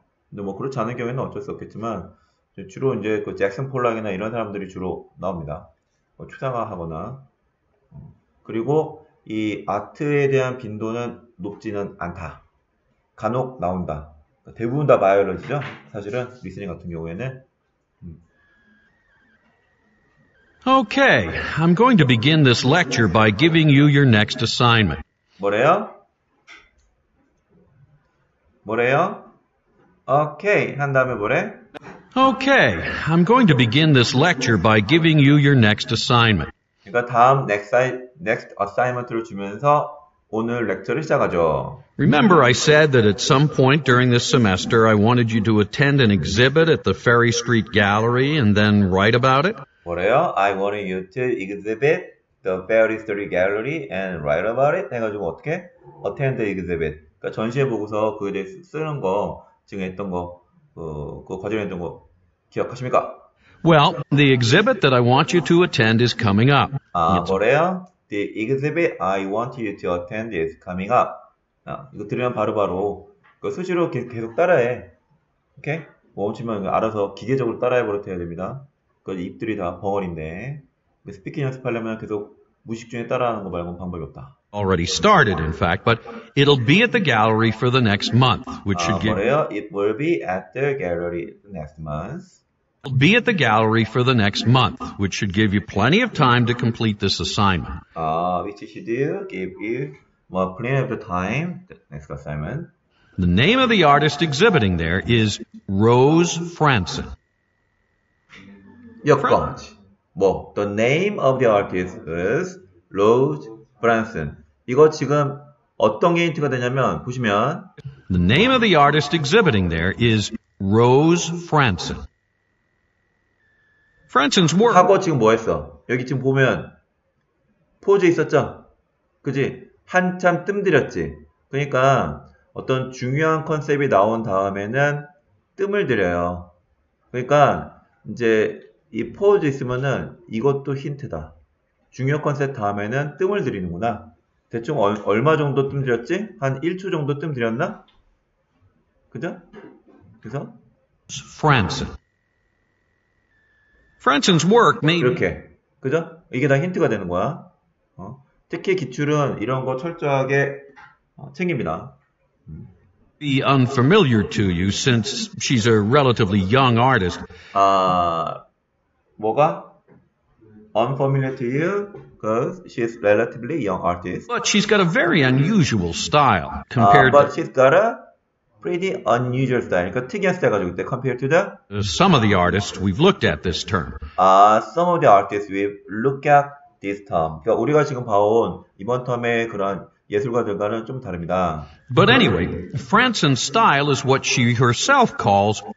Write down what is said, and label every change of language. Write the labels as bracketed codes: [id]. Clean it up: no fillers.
[ko] 근데 뭐 그렇지 않은 경우에는 어쩔 수 없겠지만, 주로 이제 그 잭슨 폴락이나 이런 사람들이 주로 나옵니다. 뭐 추상화하거나. 그리고 이 아트에 대한 빈도는 높지는 않다. 간혹 나온다. 대부분 다 바이올러지죠? 사실은 리스닝 같은 경우에는. [en] Okay, I'm going to begin this lecture by giving you your next assignment. [ko] 뭐래요? 뭐래요? Okay, 한 다음에 뭐래? [en] Okay, I'm going to begin this lecture by giving you your next assignment. [ko] 그러니까 다음 [en] next assignment [ko] 를 주면서 오늘 렉처를 시작하죠. [en] Remember I said that at some point during this semester I wanted you to attend an exhibit at the Ferry Street Gallery and then write about it? [ko] 뭐래요? [en] I wanted you to exhibit the Ferry Street Gallery and write about it? [ko] 해가지고 어떻게? [en] Attend the exhibit. [ko] 전시회 보고서 그에 대해 쓰는 거, 지금 했던 거, 그 과정했던 거 기억하십니까? [en] Well, the exhibit that I want you to attend is coming up. [ko] 아, 뭐래요? [en] The exhibit I want you to attend is coming up. [ko] 아, 이거 들으면 바로바로 그 수시로 계속 따라해. 오케이? 멈추면 알아서 기계적으로 따라해 버려야 됩니다. 그 입들이 다 벙어리인데. 스피킹 연습하려면 계속 무식 중에 따라하는 거 말고는 방법이 없다. [en] Already started, in fact, but it'll be at the gallery for the next month, which should give. [ko] 뭐래요? [en] It will be at the gallery next month. It'll be at the gallery for the next month, which should give you plenty of time to complete this assignment. Which should give you plenty of the time. The next assignment. The name of the artist exhibiting there is Rose Franzen. [ko] 역 관치. 뭐, [en] the name of the artist is Rose Franzen. [ko] 이거 지금 어떤 게인트가 되냐면 보시면 [en] The name of the artist exhibiting there is Rose Franzen. Franzen's work. [ko] 하고 지금 뭐 했어? 여기 지금 보면 포즈 있었죠? 그지? 한참 뜸들였지. 그러니까 어떤 중요한 컨셉이 나온 다음에는 뜸을 들여요. 그러니까 이제 이 포즈 있으면은 이것도 힌트다. 중요 컨셉 다음에는 뜸을 들이는구나. 대충 얼마 정도 뜸 들였지? 한 1초 정도 뜸 들였나? 그죠? 그래서 [en] Franzen. Franzen's work maybe. [ko] 이렇게. 그죠? 이게 다 힌트가 되는 거야. 특히 기출은 이런 거 철저하게 챙깁니다. [en] Be unfamiliar to you since she's a relatively young artist. [ko] 아, 뭐가? [en] Unfamiliar to you because she's relatively young artist. But she's got a very unusual style compared But she's got a pretty unusual style. [ko] 그러니까 특이한 스타일 가지고 있대. [en] Compared to the? Some of the artists we've looked at this term. Some of the artists we've looked at this term. [ko] 그러니까 우리가 지금 봐온 이번 텀의 그런 예술가들과는 좀 다릅니다. [en] But anyway, Franzen's style is what she herself calls...